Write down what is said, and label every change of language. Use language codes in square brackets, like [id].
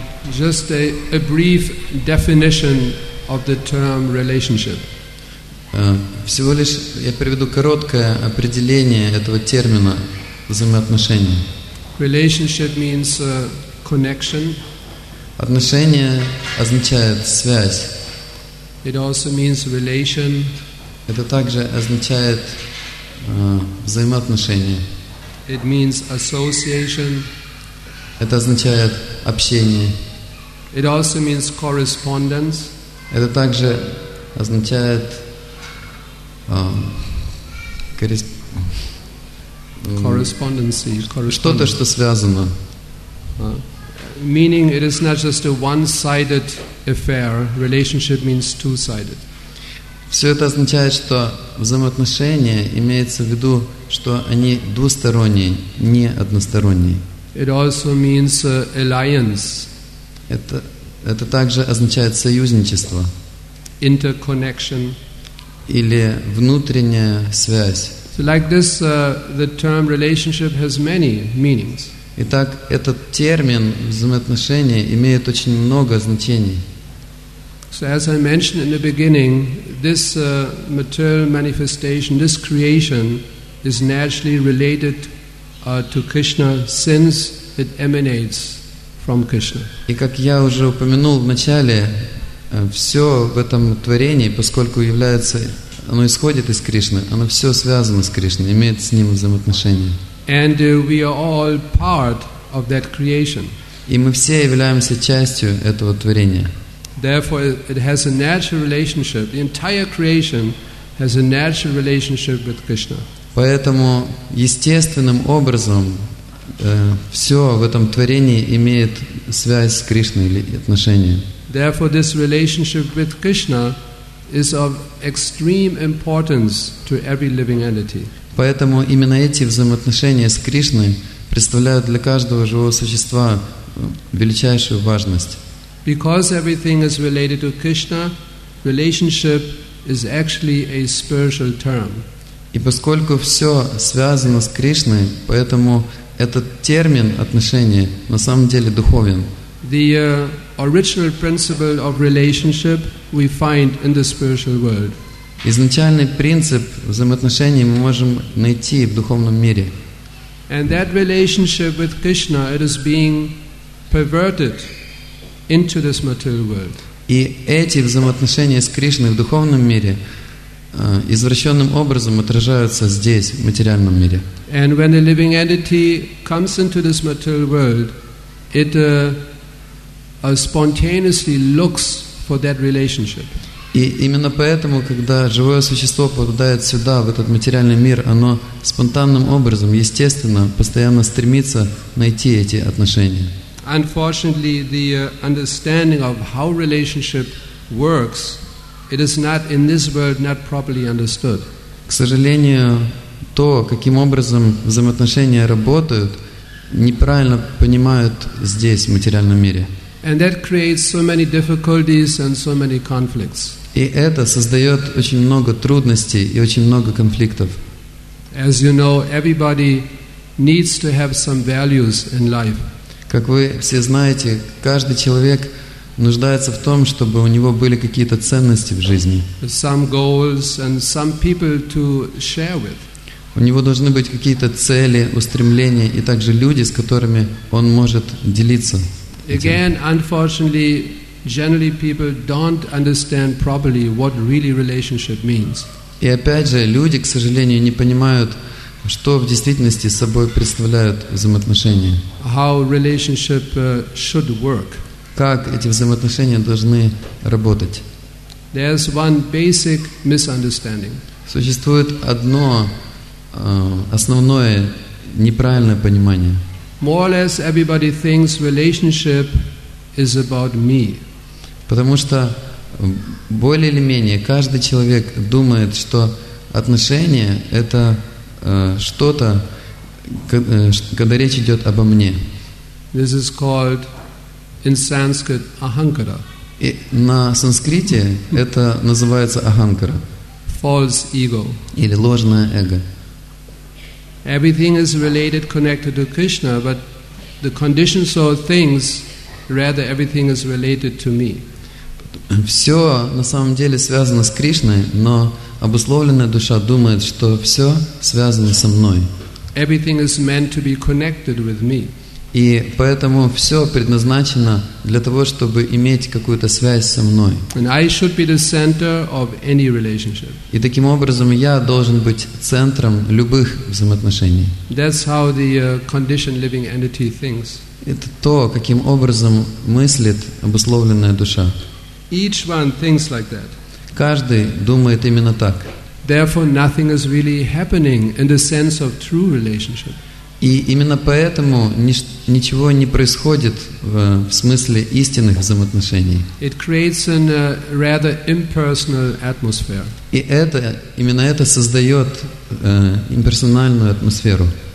[en] Just a brief definition of the term relationship. [ru] Всего лишь я приведу короткое определение этого термина взаимоотношения. [en] Relationship means connection. [ru] Отношение означает связь. [en] It also means relation. [ru] Это также означает взаимоотношение. [en] It means association. [ru] Это означает общение. [en] It also means correspondence. [ru] Это также означает [en] correspondence. [ru] Что-то, что связано. [en] Meaning it is not just a one-sided affair. Relationship means two-sided. [ru] Все это означает, что взаимоотношения имеется в виду, что они двусторонние, не односторонние. [en] It also means alliance. [ru] Это также означает союзничество. [en] Interconnection. [ru] Или внутренняя связь. [en] So like this, the term relationship has many meanings. [ru] Итак, этот термин взаимоотношения имеет очень много значений. [en] So as I mentioned in the beginning, this material manifestation, this creation, is naturally related to Krishna since it emanates from Krishna. [ru] И как я уже упомянул в начале, все в этом творении, поскольку является, оно исходит из Кришны, оно все связано с Кришной, имеет с ним взаимоотношения. [en] And we are all part of that creation. [ru] И мы все являемся частью этого творения. [en] Therefore, it has a natural relationship. The entire creation has a natural relationship with Krishna. [ru] Поэтому естественным образом все в этом творении имеет связь с Кришной или отношения. [en] Therefore, this relationship with Krishna is of extreme importance to every living entity. [ru] Поэтому именно эти взаимоотношения с Кришной представляют для каждого живого существа величайшую важность. [en] Because everything is related to Krishna, relationship is actually a spiritual term. [ru] И поскольку все связано с Кришной, поэтому этот термин отношения на самом деле духовен. [en] The original principle of relationship we find in the spiritual world. [ru] Изначальный принцип взаимоотношений мы можем найти в духовном мире. [en] And that relationship with Krishna, it is being perverted into this material world. [ru] И эти взаимоотношения с Кришной в духовном мире извращенным образом отражаются здесь, в материальном мире. [en] And when a living entity comes into this material world, it spontaneously looks for that relationship. [ru] И именно поэтому, когда живое существо попадает сюда, в этот материальный мир, оно спонтанным образом, естественно, постоянно стремится найти эти отношения. [en] Unfortunately, the understanding of how relationship works, it is not in this world not properly understood. [ru] К сожалению, то, каким образом взаимоотношения работают, неправильно понимают здесь, в материальном мире. [en] And that creates so many difficulties and so many conflicts. [ru] И это создает очень много трудностей и очень много конфликтов. [en] As you know, everybody needs to have some values in life. [ru] Как вы все знаете, каждый человек нуждается в том, чтобы у него были какие-то ценности в жизни. [en] Some goals and some people to share with. [ru] У него должны быть какие-то цели, устремления и также люди, с которыми он может делиться. [en] Again, unfortunately, generally people don't understand properly what really relationship means. [ru] И опять же, люди, к сожалению, не понимают, что в действительности собой представляют взаимоотношения. [en] How relationship should work. [ru] Как эти взаимоотношения должны работать. [en] There's one basic misunderstanding. [ru] Существует одно основное неправильное понимание. [en] More or less everybody thinks relationship is about me. [ru] Потому что более или менее каждый человек думает, что отношения — это что-то, когда речь идет обо мне. [en] This is called in Sanskrit ahankara. [ru] И на санскрите это называется ahankara. [en] False ego. [ru] Или ложное эго. [en] Everything is related, connected to Krishna, but the conditions of things, rather everything is related to me. [ru] Все на самом деле связано с Кришной, но обусловленная душа думает, что все связано со мной. [en] Everything is meant to be connected with me. [ru] И поэтому все предназначено для того, чтобы иметь какую-то связь со мной. [en] And I should be the center of any relationship. [ru] И таким образом я должен быть центром любых взаимоотношений. [en] That's how the conditioned living entity thinks. [ru] Это то, каким образом мыслит обусловленная душа. [en] Each one thinks like that. [ru] Каждый думает именно так. [en] Therefore, nothing is really happening in the sense of true relationship. [ru] И именно поэтому ничего не происходит в смысле истинных взаимоотношений. [en] It creates an, rather impersonal atmosphere. [ru] И это, именно это создает имперсональную атмосферу.